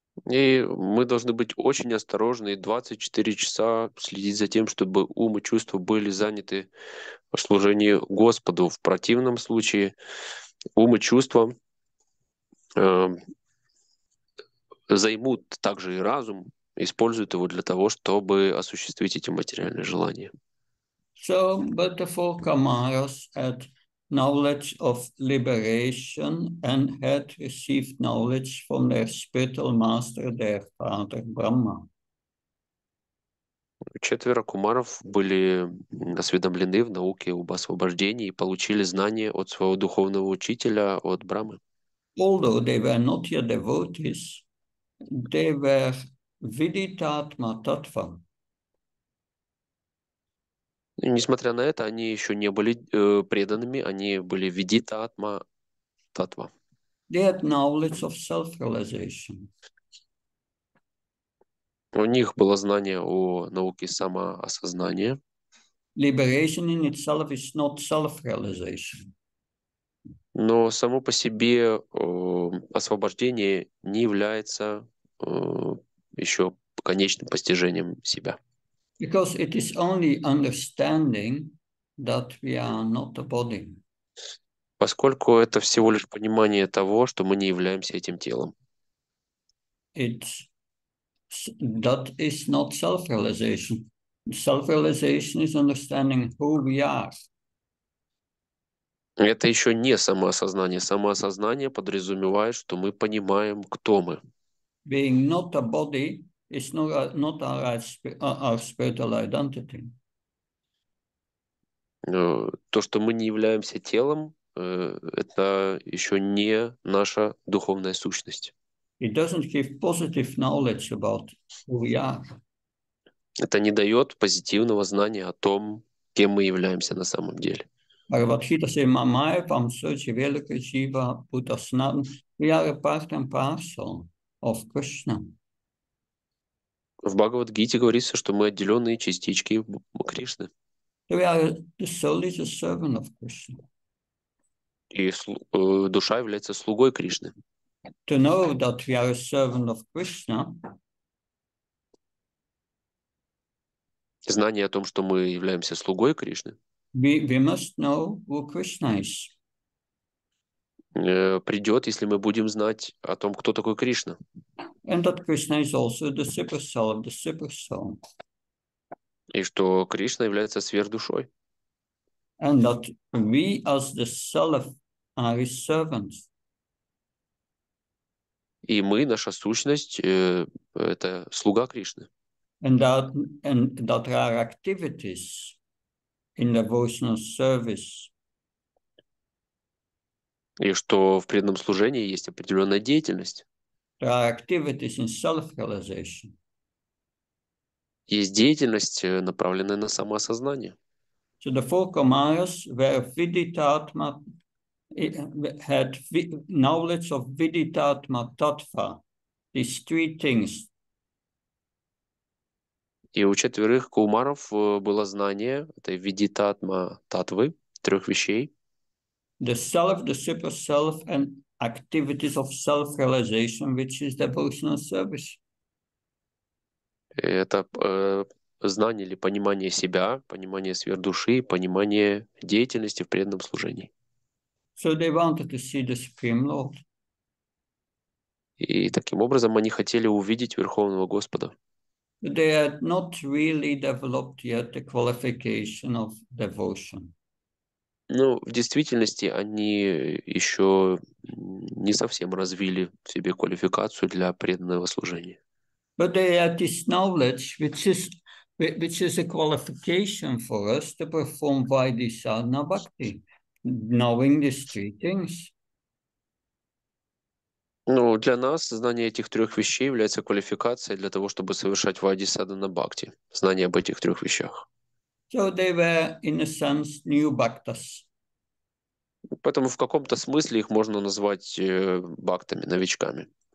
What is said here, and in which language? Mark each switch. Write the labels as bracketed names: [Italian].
[Russian] И мы должны быть очень осторожны и 24 часа следить за тем, чтобы ум и чувства были заняты в служении Господу. В противном случае ум и чувства займут также и разум, используют его для того, чтобы осуществить эти материальные желания. [English] So, but the four Kamaras had knowledge of liberation and had received knowledge from their spiritual master, their father, Brahma. [Russian] Четверо кумаров были осведомлены в науке об освобождении и получили знания от своего духовного учителя, от Брамы. [English] Although they were not yet devotees, they were viditātma tattva. [Russian] Несмотря на это, они еще не были преданными, они были видитаатма татва. [English] They had knowledge of self-realization. [Russian] У них было знание о науке самоосознания. [English] Liberation in itself is not self-realization. [Russian] Но само по себе освобождение не является еще конечным постижением себя. [English] Because it is only understanding that we are not a body. [Russian] Поскольку это всего лишь понимание того, что мы не являемся этим телом. [English] It's, that is not self-realization. Self-realization is understanding who we are. [Russian] Это еще не самоосознание. Самоосознание подразумевает, что мы понимаем, кто мы. [English] Being not a body, it's not our spiritual identity. [Russian] То, что мы не являемся телом, это еще не наша духовная сущность. [English] It doesn't give positive knowledge about who we are. [Russian] Это не дает позитивного знания о том, кем мы являемся на самом деле. [English] Bhagavad-gītā says, [Sanskrit] mamāyavam sucha velika jīva bhūtasnam. [English] We are a part and parcel of Krishna. [Russian] В Бхагавад-гите говорится, что мы отделенные частички Кришны. [English] We are the soul is a servant of Krishna. [Russian] И душа является слугой Кришны. [English] To know that we are a servant of Krishna. [Russian] Знание о том, что мы являемся слугой Кришны. [English] We must know who Krishna is. [Russian] Придет, если мы будем знать о том, кто такой Кришна. [English] And that Krishna is also the supersoul of the supersoul. [Russian] И что Кришна является сверхдушой. [English] And that we as the self are his servants. [Russian] И мы, наша сущность, это слуга Кришны. [English] And that there are activities in devotional service. [Russian] И что в преданном служении есть определенная деятельность. [English] There are activities in self-realization. [Russian] Есть деятельность, направленная на самоосознание. [English] So the four Kamaras were viditātma, had knowledge of viditātma tattva, these three things. [Russian] И у четверых кумаров было знание этой видитатма татвы, трех вещей. [English] The self, the super-self, and activities of self-realization, which is devotional service. [Russian] Это знание или понимание себя, понимание сверхдуши, понимание деятельности в преданном служении. [English] So they wanted to see the Supreme Lord. [Russian] И таким образом они хотели увидеть Верховного Господа. [English] They had not really developed yet the qualification of devotion. [Russian] Ну, в действительности, они еще не совсем развили в себе квалификацию для преданного служения. [English] But they have this knowledge, which is a qualification for us to perform Vaidisadhana Bhakti, knowing these three things. [Russian] Ну, для нас знание этих трех вещей является квалификацией для того, чтобы совершать вайдисадхана бхакти. Знание об этих трех вещах. [English] So they were, in a sense, new bhaktas. [Russian] Поэтому в каком-то смысле их можно назвать бхактами, новичками.